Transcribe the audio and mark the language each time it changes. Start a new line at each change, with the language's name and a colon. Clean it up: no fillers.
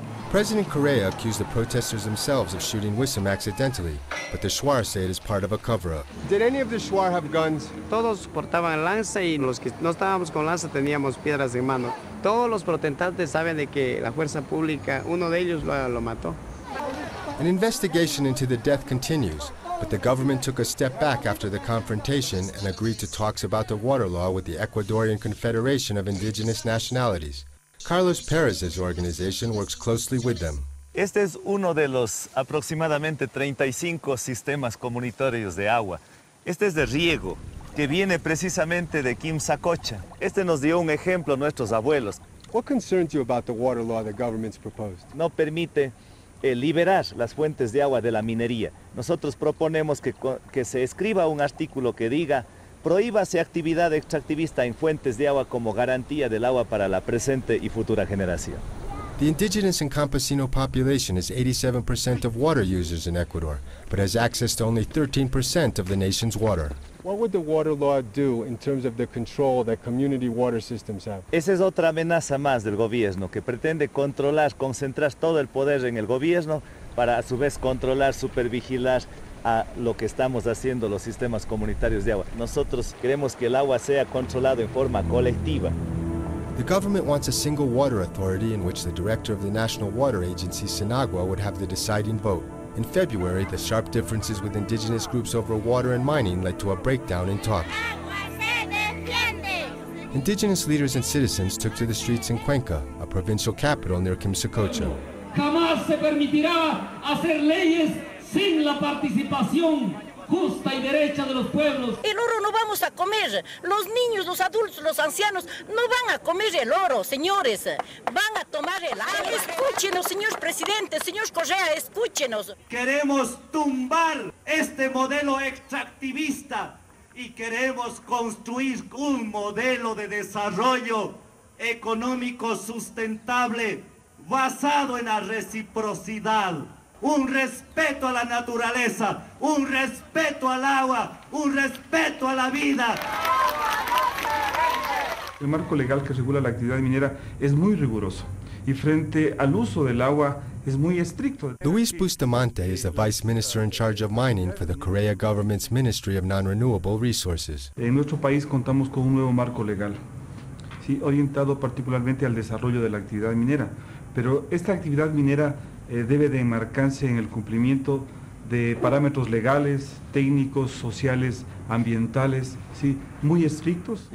English: President Correa accused the protesters themselves of shooting Wissam accidentally, but the Shuar say it is part of a cover-up. Did any of the Shuar have guns?
Spanish: Todos portaban lanza y los que no estábamos con lanza teníamos piedras en mano. Todos los protestantes saben de que la fuerza pública, uno de ellos lo mató.
English: An investigation into the death continues. But the government took a step back after the confrontation and agreed to talks about the water law with the Ecuadorian Confederation of Indigenous Nationalities. Carlos Perez's organization works closely with them.
Spanish: Este es uno de los aproximadamente 35 sistemas comunitarios de agua. Este es de riego, que viene precisamente de Quimsacocha. Este nos dio un ejemplo nuestros abuelos.
English: What concerns you about the water law the government's proposed?
Spanish: No permite liberar las fuentes de agua de la minería. Nosotros proponemos que se escriba un artículo que diga prohíbase actividad extractivista en fuentes de agua como garantía del agua para la presente y futura generación.
English: The indigenous and campesino population is 87% of water users in Ecuador, but has access to only 13% of the nation's water. What would the water law do in terms of the control that community water systems have?
Spanish: Esa es otra amenaza más del gobierno que pretende controlar, concentrar todo el poder en el gobierno para a su vez controlar, supervigilar a lo que estamos haciendo los sistemas comunitarios de agua. Nosotros queremos que el agua sea controlado en forma colectiva.
English: The government wants a single water authority in which the director of the National Water Agency, SINAGUA, would have the deciding vote. In February, the sharp differences with indigenous groups over water and mining led to a breakdown in talks. Indigenous leaders and citizens took to the streets in Cuenca, a provincial capital near Quimsacocha.
Spanish: Jamás se permitirá hacer leyes sin la participación justa y derecha de los pueblos. El oro no vamos a comer. Los niños, los adultos, los ancianos no van a comer el oro, señores. Van a tomar el agua. Escúchenos, señor presidente, señor Correa, escúchenos. Queremos tumbar este modelo extractivista y queremos construir un modelo de desarrollo económico sustentable basado en la reciprocidad. Un respeto a la naturaleza, un respeto al agua, un respeto a la vida. El marco legal que regula la actividad minera es muy riguroso y frente al uso del agua es muy estricto.
English: Luis Bustamante is the vice minister in charge of mining for the Korea government's Ministry of Non-Renewable Resources.
Spanish: En nuestro país contamos con un nuevo marco legal, sí, orientado particularmente al desarrollo de la actividad minera, pero esta actividad minera debe de enmarcarse en el cumplimiento de parámetros legales, técnicos, sociales, ambientales, sí, muy estrictos.